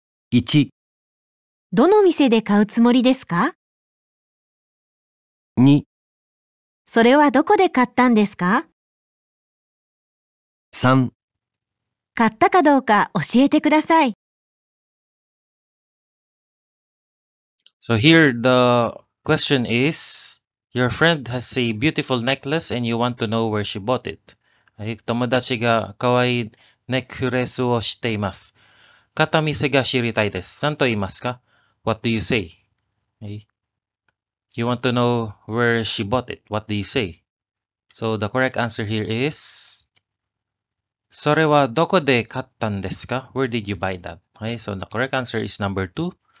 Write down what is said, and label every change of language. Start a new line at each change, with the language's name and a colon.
Japanese: 一。どの店で買うつもりですか？二。それはどこで買ったんですか？三。買ったかどうか教えてください。
English: So here the question is, your friend has a beautiful necklace and you want to know where she bought it.
Japanese: 友達が可愛いネックレスをしています。買った店が知りたいです。何と言いますか？
English: What do you say? You want to know where she bought it. What do you say? So the correct answer here is,
Japanese: それはどこで買ったんですか？
English: Where did you buy that? Okay, so the correct answer is number two.